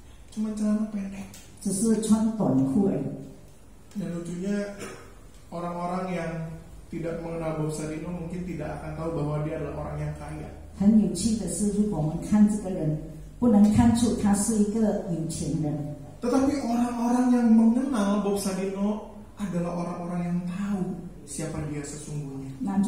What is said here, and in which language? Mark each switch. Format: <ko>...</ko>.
<id>Cuma celana pendek. Dan lucunya orang-orang yang tidak mengenal Bob Sadino mungkin tidak akan tahu bahwa dia adalah orang yang kaya.</id> <zh>很有趣的是, 如果我们看这个人, 不能看出他是一个有钱人.</zh> <id>Tetapi orang-orang yang mengenal Bob Sadino adalah orang-orang yang tahu siapa dia sesungguhnya.</id>